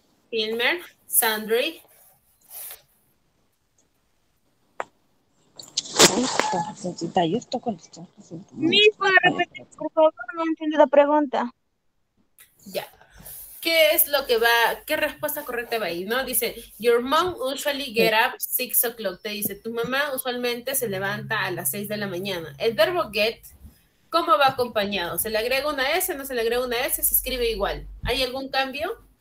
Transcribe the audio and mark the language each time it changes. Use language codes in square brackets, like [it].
[es] ¿Filmer? ¿Sandri? Yo estoy con esto. Mi, ¿puedo repetir, por favor? No entiendo la pregunta. Ya. ¿Qué es lo que va? ¿Qué respuesta correcta va ahí? ¿No? Dice, [en] your mom usually get up 6 o'clock. [es] Te dice, tu mamá usualmente se levanta a las 6 de la mañana. El verbo get, ¿cómo va acompañado? ¿Se le agrega una S? ¿No se le agrega una S? Se escribe igual. ¿Hay algún cambio?